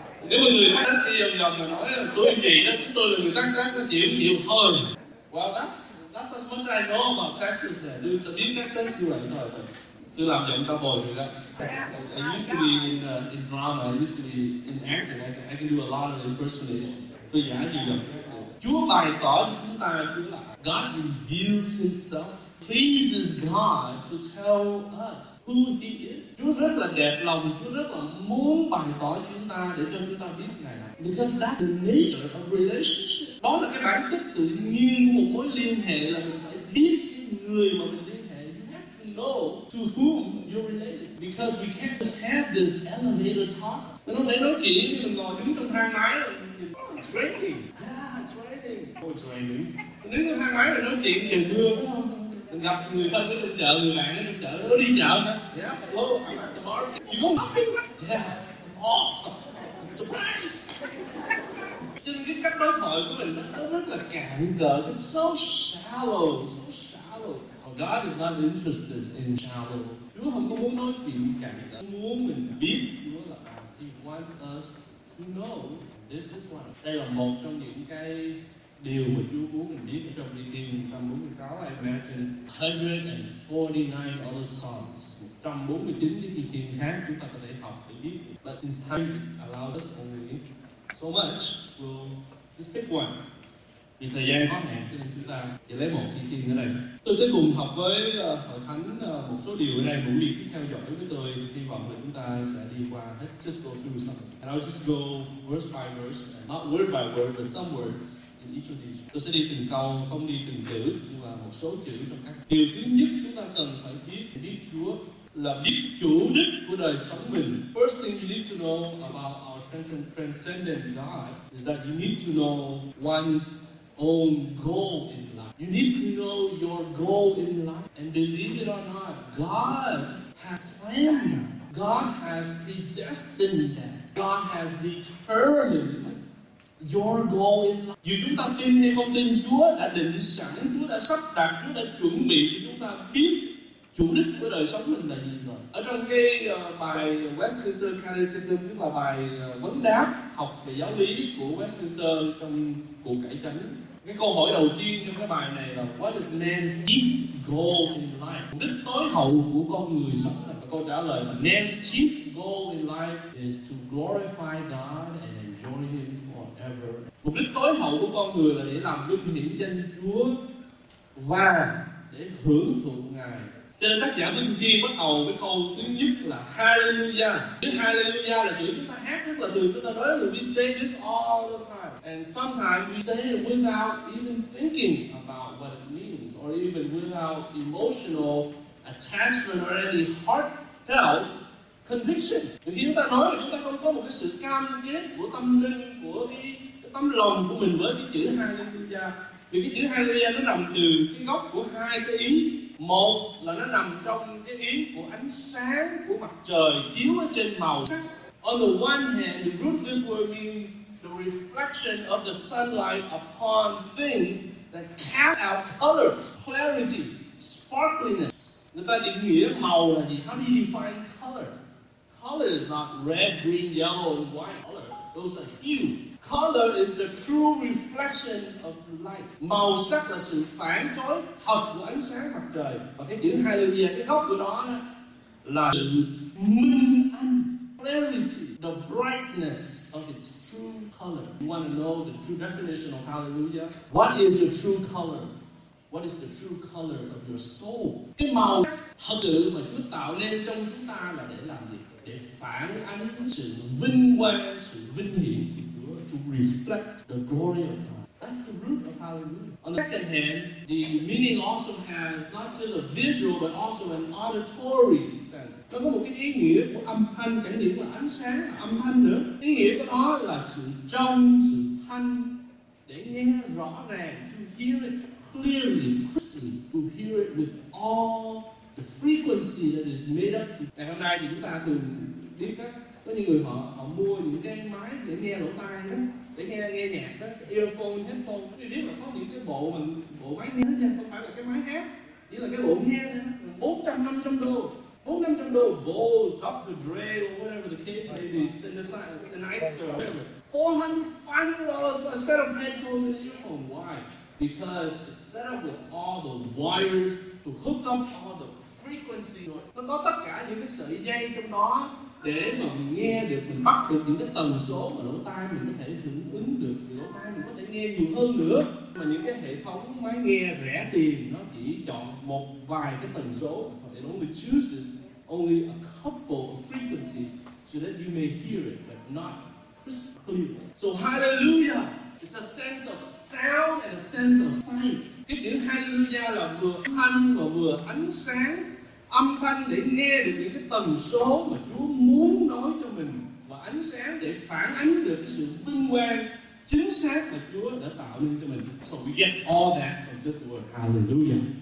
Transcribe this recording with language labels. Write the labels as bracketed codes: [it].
[vi] Nếu mà người Texas đi vòng vòng mà nói là tôi gì đó, chúng tôi là người Texas sẽ chịu nhiều hơn. [en] Well, that's as much as I know about Texas then. Dude, so in Texas, you are not. [vi] Tôi làm giọng cao bồi rồi đó. [en] I used to be in drama, I used to be in acting. I can do a lot of impersonation. [vi] Tôi giả gì đó. Chúa bày tỏ cho chúng ta Chúa là [en] God reveals Himself, pleases God to tell us who He is. [vi] Chúa rất là đẹp lòng, Chúa rất là muốn bày tỏ cho chúng ta để cho chúng ta biết Ngài. [en] Because that's the nature of relationship. [vi] Đó là cái bản chất tự nhiên của một mối liên hệ, là mình phải biết cái người mà mình liên hệ. [en] You have to know to whom you're related. Because we can't just have this elevator talk. [vi] Mình không thể nói chuyện thì mình ngồi đứng trong thang máy. [en] It's raining. Oh, it's raining. [vi] Nếu thang máy rồi nói chuyện trời mưa phải không? Mình gặp người thân ở trong chợ, người bạn ở trong chợ, nó đi chợ hả? [en] Yeah. Oh, I'm at the market. You go shopping? Yeah. Oh, surprise. [vi] Cho nên cái cách đối thoại của mình nó rất là cạn cợt. [en] It's so shallow, so shallow. Oh, God is not interested in shallow. [vi] Chúa không có muốn nói chuyện cạn cợt. Chúa muốn mình biết Chúa là ai. [en] He wants us to know this is one. [vi] Đây là một trong những cái điều mà Chúa muốn mình biết trong Thi Thiên 146. [en] I imagine 149 other songs. [vi] 149 cái Thi Thiên khác chúng ta có thể học để biết. [en] But since time allows us only so much, we'll just pick one. [vi] Vì thời gian có hạn, cho nên chúng ta chỉ lấy một Thi Thiên ở đây. Tôi sẽ cùng học với Hội Thánh một số điều ở đây. Mỗi việc theo dõi với tôi, hy vọng là chúng ta sẽ đi qua hết. [en] Just go through something. And I'll just go verse by verse, and not word by word, but some words. [vi] Tôi sẽ đi từng câu, không đi từng chữ, nhưng mà một số chữ trong các điều thứ nhất chúng ta cần phải biết thì biết Chúa là biết chủ đích của đời sống mình. [en] First thing you need to know about our transcendent God is that you need to know one's own goal in life. You need to know your goal in life, and believe it or not, God has planned, God has predestined that, God has determined your goal in life. [vi] Dù chúng ta tin hay không tin, Chúa đã định sẵn, Chúa đã sắp đặt, Chúa đã chuẩn bị cho chúng ta biết chủ đích của đời sống mình là gì rồi. Ở trong cái bài Westminster Catechism, tức là bài vấn đáp học về giáo lý của Westminster trong cuộc cải chánh, Cái câu hỏi đầu tiên trong cái bài này là [en] What is man's chief goal in life? [vi] Mục đích tối hậu của con người sống là câu trả lời là [en] man's chief goal in life is to glorify God and enjoy Him forever. [vi] Mục đích tối hậu của con người là để làm vinh hiển danh Chúa và để hưởng thụ Ngài. Cho nên tác giả Tuyên Thiên bắt đầu với câu thứ nhất là Hallelujah. Chữ Hallelujah là chữ chúng ta hát rất là thường. Chúng ta nói là [en] we say this all the time. And sometimes we say it without even thinking about what it means. Or even without emotional attachment or any heartfelt conviction. [vi] Vì khi chúng ta nói là chúng ta không có một cái sự cam kết của tâm linh, của cái tâm lòng của mình với cái chữ Hallelujah. Vì cái chữ Hallelujah nó nằm từ cái gốc của hai cái ý. Một là nó nằm trong cái ý của ánh sáng của mặt trời chiếu ở trên màu sắc. [en] On the one hand, the root of this word means the reflection of the sunlight upon things that cast out color, clarity, sparkliness. [vi] Người ta định nghĩa màu là gì? [en] How do you define color? Color is not red, green, yellow, and white. Color, those are hue. Color is the true reflection of light. [vi] Màu sắc là sự phản chiếu thật của ánh sáng mặt trời. Và cái chữ Hallelujah, cái gốc của đó là sự minh ánh, [en] clarity, the brightness of its true color. You want to know the true definition of Hallelujah? What is the true color? What is the true color of your soul? [vi] Cái màu sắc thật sự mà Chúa tạo nên trong chúng ta là để làm gì? Để phản ánh sự vinh quang, sự vinh hiển. [en] To reflect the glory of God. That's the root of Hallelujah. On the second hand, the meaning also has not just a visual but also an auditory sense. [vi] Nó có một cái ý nghĩa của âm thanh, cái nghĩa của ánh sáng, âm thanh nữa. Ý nghĩa của nó là sự trong, sự thanh, để nghe rõ ràng, [en] to hear it clearly, crisply, to hear it with all the frequency that is made up to. [vi] Ngày hôm nay thì chúng ta thường biết các có những người họ mua những cái máy để nghe lỗ tai đó, để nghe nhạc đó, earphone, headphone. Quý vị biết là có những cái bộ máy nghe nha, không phải là cái máy hát, chỉ là cái bộ nghe nha, $400-$500 Bose, Dr. [en] Dre, or whatever the case may be, Sennheiser, whatever. $400-$500 for a set of headphones and earphones. Why? Because it's set up with all the wires to hook up all the frequencies. [vi] Nó có tất cả những cái sợi dây trong đó. Để mà mình nghe được, mình bắt được những cái tần số mà lỗ tai mình có thể hưởng ứng được. Lỗ tai mình có thể nghe nhiều hơn nữa. Mà những cái hệ thống máy nghe rẻ tiền nó chỉ chọn một vài cái tần số. [en] It only chooses only a couple of frequencies so that you may hear it, but not crisp clear. So Hallelujah is a sense of sound and a sense of sight. [vi] Cái chữ Hallelujah là vừa thanh và vừa ánh sáng. Âm thanh để nghe được những cái tần số mà Chúa muốn nói cho mình và ánh sáng để phản ánh được cái sự vinh quang chính xác mà Chúa đã tạo nên cho mình. [en] So we get all that from just the word Hallelujah.